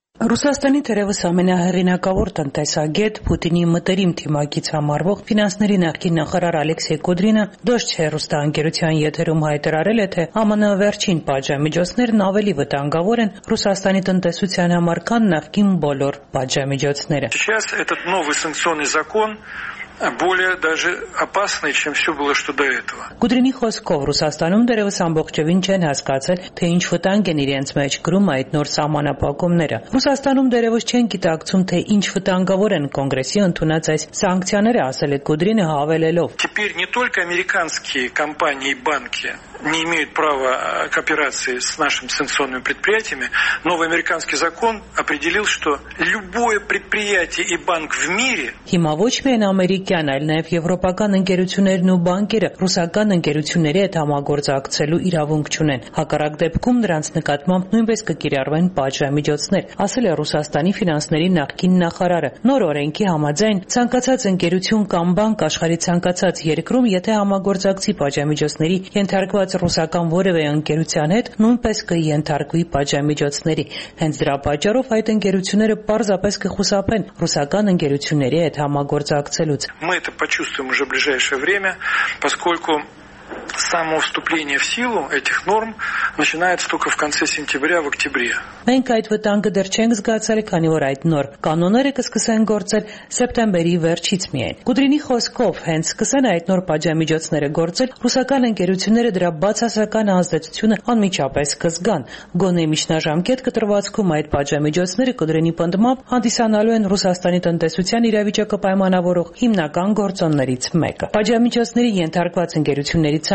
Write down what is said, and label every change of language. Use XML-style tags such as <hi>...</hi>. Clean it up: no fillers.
<hy>Ռուսաստանի թերևս ամենահեղինակավոր տնտեսագետ Պուտինի մտերիմ թիմակից համարվող ֆինանսների նախկին նախարար Ալեքսեյ Կուդրինը Դոշչ հեռուստաընկերության եթերում հայտարարել է, թե ԱՄՆ վերջին պատժամիջոցներն ավելի վտանգավոր են Ռուսաստանի տնտեսության համար, քան նախկին բոլոր պատժամիջոցները։</hy> <ru>Более даже опасный, чем все было, что до этого.</ru> <hy>Կուդրինի խոսքով Ռուսաստանում դեռևս ամբողջովին չեն հասկացել, թե ինչ վտանգ են իրենց մեջ գրում այդ նոր սահմանապակումները։ Ռուսաստանում դեռևս չեն գիտակցում, թե ինչ վտանգավոր են կոնգրեսի ընդունած այս սանկցիաները, ասել է Կուդրինը հավելելով.</hy> <ru>Теперь не только американские компании и банки не имеют права кооперации с нашими санкционными предприятиями. Новый американский закон определил, что любое предприятие и банк в мире</ru> <hy>Ամերիկյան, այլ նաև եվրոպական ընկերություններն ու բանկերը ռուսական ընկերությունների հետ համագործակցելու իրավունք չունեն։ Հակառակ դեպքում նրանց նկատմամբ նույնպես կկիրառվեն պատժամիջոցներ, ասել է Ռուսաստանի ֆինանսների նախկին նախարարը։ Նոր օրենքի համաձայն, ցանկացած ընկերություն կամ բանկ աշխարհի ցանկացած երկրում, եթե համագործակցի պատժամիջոցների ենթարկված ռուսական որևէ ընկերության հետ, նույնպես կենթարկվի պատժամիջոցների։ Հենց դրա պատճառով այդ ընկերությունները պարզապես կխուսափեն ռուսական ընկերությունների հետ համագործակցել։</hy> <ru>Мы это почувствуем уже в ближайшее время, поскольку само вступление в силу этих норм начинается только в конце сентября, в октябре.</ru> <hy>Մենք այդ վտանգը դեռ չենք զգացել, քանի որ այդ նոր կանոնները կսկսեն գործել սեպտեմբերի վերջից միայն։ Կուդրինի խոսքով, հենց սկսեն այդ նոր պատժամիջոցները գործել, ռուսական ընկերությունները դրա բացասական ազդեցությունը անմիջապես կզգան։ Գոնե միջնաժամկետ կտրվածքում այդ պատժամիջոցները կուդրինի ընդմամբ հանդիսանալու են Ռուսաստանի տնտեսության իրավիճակը պայմանավորող հիմնական գործոններից մեկը։ Պատժամիջոցների ենթարկված ընկերություններից</hy>